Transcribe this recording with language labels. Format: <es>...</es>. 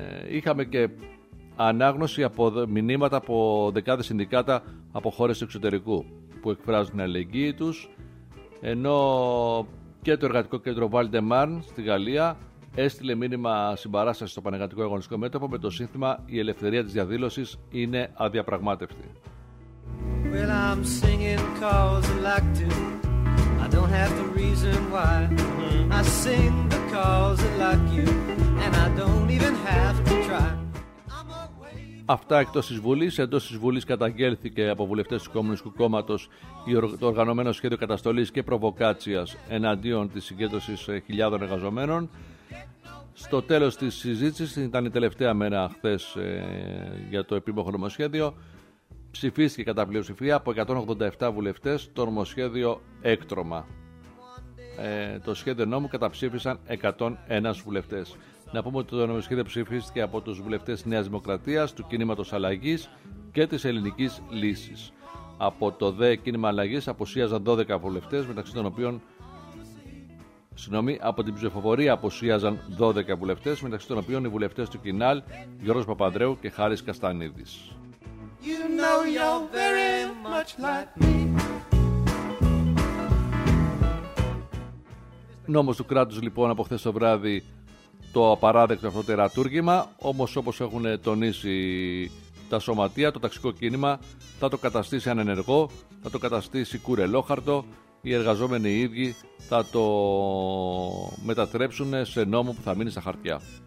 <el>Είχαμε και ανάγνωση από μηνύματα από δεκάδες συνδικάτα από χώρες του εξωτερικού που εκφράζουν την αλληλεγγύη τους, ενώ και το εργατικό κέντρο Βαλντεμάρν στη Γαλλία έστειλε μήνυμα συμπαράσταση στο Πανεργατικό Αγωνιστικό Μέτωπο με το σύνθημα «Η ελευθερία της διαδήλωσης είναι αδιαπραγμάτευτη».</el> <en>Well, I'm singing 'cause I like to. I don't have the reason why. I sing because I like you. And I don't even have to try.</en> <el>Αυτά εκτός της Βουλής. Εντός της Βουλής καταγγέλθηκε από βουλευτές του Κομμουνιστικού Κόμματος το οργανωμένο σχέδιο καταστολής και προβοκάτσιας εναντίον της συγκέντρωσης χιλιάδων εργαζομένων. Στο τέλος της συζήτησης, ήταν η τελευταία μέρα χθες για το επίμαχο νομοσχέδιο, ψηφίστηκε κατά πλειοψηφία από 187 βουλευτές το νομοσχέδιο έκτρωμα. Το σχέδιο νόμου καταψήφισαν 101 βουλευτές. Να πούμε ότι το νομοσχέδιο ψηφίστηκε από τους βουλευτές Νέας Δημοκρατίας, του Κινήματος Αλλαγής και της Ελληνικής Λύσης. Από το ΔΕ Κίνημα Αλλαγής απουσίαζαν 12 βουλευτές, μεταξύ των οποίων από την ψηφοφορία απουσίαζαν 12 βουλευτές, μεταξύ των οποίων οι βουλευτές του Κινάλ, Γιώργος Παπανδρέου και Χάρης Καστανίδης.</el> <en>You know you're very much like me.</en> <el>Νόμος του κράτους λοιπόν από χθες το βράδυ το απαράδεκτο αυτό τερατούργημα, όμως όπως έχουν τονίσει τα σωματεία, το ταξικό κίνημα θα το καταστήσει ανενεργό, θα το καταστήσει κουρελόχαρτο, οι εργαζόμενοι οι ίδιοι θα το μετατρέψουν σε νόμο που θα μείνει στα χαρτιά.</el>